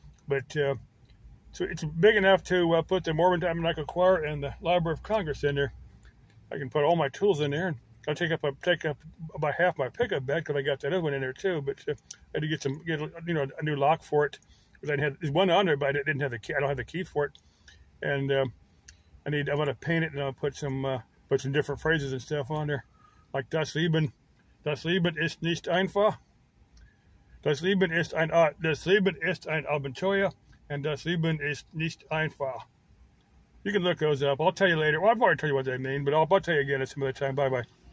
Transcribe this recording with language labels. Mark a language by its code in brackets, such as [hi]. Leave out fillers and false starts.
[en] But so it's big enough to put the Mormon Tabernacle Choir and the Library of Congress in there. I can put all my tools in there. I'll take up about half my pickup bed because I got that other one in there too. But I had to get a new lock for it. But I had one on there, but I didn't have the key. I don't have the key for it, and. I'm gonna paint it and I'll put some different phrases and stuff on there, like [de] das Leben ist nicht einfach, das Leben ist ein Abenteuer, [en] and [de] das Leben ist nicht einfach. [en] You can look those up. I'll tell you later. Well, I've already told you what they mean, but I'll tell you again at some other time. Bye bye.